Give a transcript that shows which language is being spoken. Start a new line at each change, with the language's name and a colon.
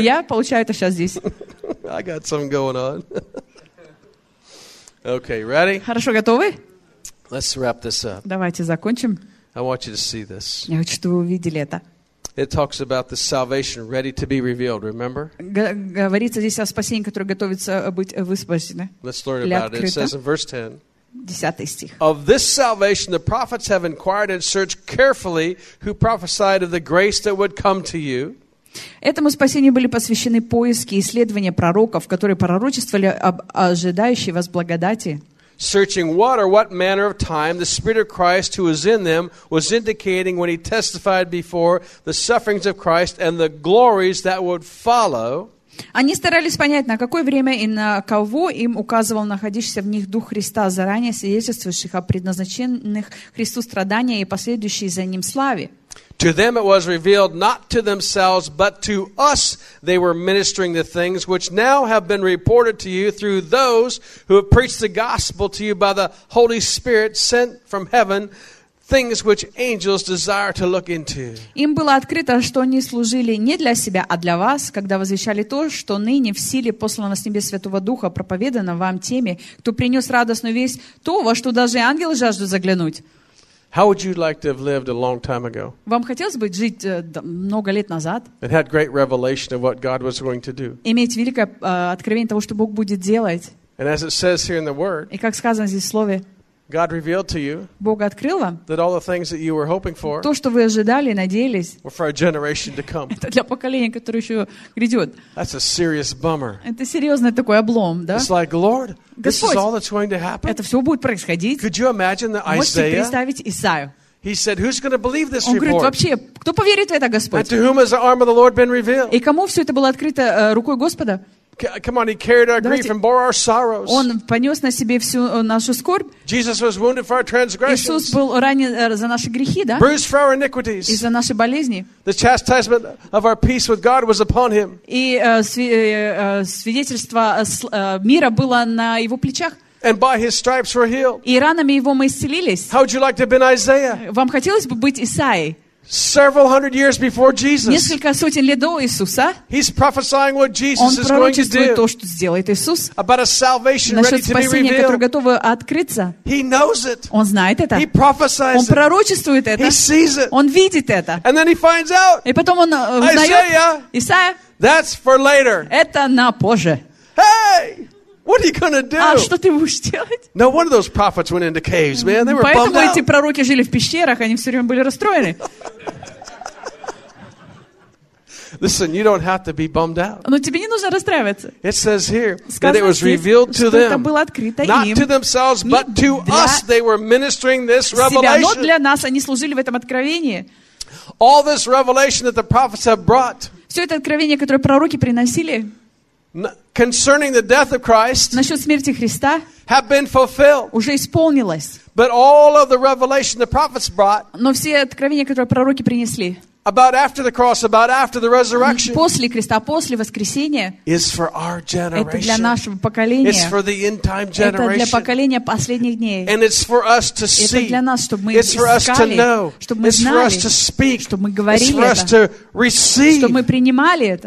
Russian: Я получаю это сейчас здесь.
English: I got something going on. Okay, ready?
Russian: Хорошо, готовы?
English: Let's wrap this up.
Russian: Давайте закончим.
English: I want you to see this.
Russian: Я хочу, чтобы вы увидели это.
English: It talks about the salvation ready to be revealed, remember?
Russian: Говорится здесь о спасении, которое готовится быть высвобождено.
English: Let's learn about it. It says in verse 10.
Russian: 10 стих.
English: Of this salvation the prophets have inquired and searched carefully who prophesied of the grace that would come to you.
Russian: Этому спасению были посвящены поиски и исследования пророков, которые пророчествовали об ожидающей вас благодати.
English: Searching what or what manner of time the Spirit of Christ who was in them was indicating when he testified before the sufferings of Christ and the glories that would follow.
Russian: Они старались понять, на какое время и на кого им указывал находящийся в них Дух Христа, заранее свидетельствующих о предназначенных Христу страданиях и последующей за ним славе.
English: To them it was revealed not to themselves, but to us they were ministering the things which now have been reported to you through those who have preached the gospel to you by the Holy Spirit sent from heaven, things which angels desire to look into.
Russian: Им было открыто, что они служили не для себя, а для вас, когда возвещали то, что ныне в силе послано с небес Святого Духа, проповедано вам теми, кто принес радостную весть, то, во что даже ангелы жаждут заглянуть.
English: How would you like to have lived a long time ago?
Russian: Вам хотелось бы жить много лет назад?
English: And had great revelation of what God was going to do.
Russian: Иметь великое откровение того, что Бог будет делать.
English: And as it says here in the word.
Russian: И как сказано здесь в слове.
English: God revealed to you.
Russian: Бог открыл вам.
English: That all the things that you were hoping for.
Russian: То, что вы ожидали, надеялись.
English: Were for a generation to come.
Russian: Это для поколения, которое еще грядет.
English: That's a serious bummer.
Russian: Это серьезный такой облом, да?
English: It's like, Lord, this is all that's going to happen.
Russian: Это все будет происходить.
English: Could you imagine the Isaiah?
Russian: Можете представить Исаию?
English: He said, "Who's going to believe this report?"
Russian: Он говорит, вообще, кто поверит в это, Господь?
English: And to whom has the arm of the Lord been revealed?
Russian: И кому все это было открыто рукой Господа?
English: Come on, he carried our grief and bore our sorrows.
Russian: Он понес на себе всю нашу скорбь.
English: Jesus was wounded for our transgressions.
Russian: Иисус был ранен за наши грехи, да?
English: Bruised for our iniquities.
Russian: И за наши болезни.
English: The chastisement of our peace with God was upon him.
Russian: И свидетельство мира было на его плечах.
English: And by his stripes were healed.
Russian: И ранами его мы исцелились.
English: How would you like to have been Isaiah?
Russian: Вам хотелось бы быть Исаией?
English: Several hundred years before Jesus.
Russian: Несколько сотен лет до Иисуса.
English: He's prophesying what Jesus is going to do.
Russian: Он пророчествует то, что сделает Иисус.
English: About a salvation ready to be revealed.
Russian: Насчет спасения, которое готово открыться.
English: He knows it.
Russian: Он знает это.
English: He prophesies.
Russian: Он пророчествует это.
English: He sees it.
Russian: Он видит это.
English: And then he finds out.
Russian: И потом он узнает. Исаия.
English: That's for later.
Russian: Это на позже.
English: Hey! What are you gonna do?
Russian: А что ты будешь делать?
English: No, one of those prophets went into caves, man. They were bummed out.
Russian: Поэтому эти пророки жили в пещерах, они все время были расстроены.
English: Listen, you don't have to be bummed out.
Russian: Но тебе не нужно расстраиваться.
English: It says here that it was revealed to them.
Russian: Это было открыто им.
English: Not to themselves, but to us, they were ministering this revelation.
Russian: Себя, но для нас они служили в этом откровении.
English: All this revelation that the prophets have brought.
Russian: Все это откровение, которое пророки приносили.
English: Concerning the death of Christ,
Russian: насчет смерти Христа,
English: have been fulfilled.
Russian: Уже исполнилось.
English: But all of the revelation the prophets brought,
Russian: но все откровения, которые пророки принесли,
English: about after the cross, about after the resurrection,
Russian: после креста, после воскресения,
English: is for our generation.
Russian: Это для нашего поколения.
English: It's for the end time generation.
Russian: Это для поколения последних дней.
English: And it's for us to see.
Russian: Это для нас, чтобы мы искали.
English: It's for us to know.
Russian: Чтобы мы знали.
English: It's for us to speak.
Russian: Чтобы мы говорили.
English: It's for us to receive.
Russian: Чтобы мы принимали это.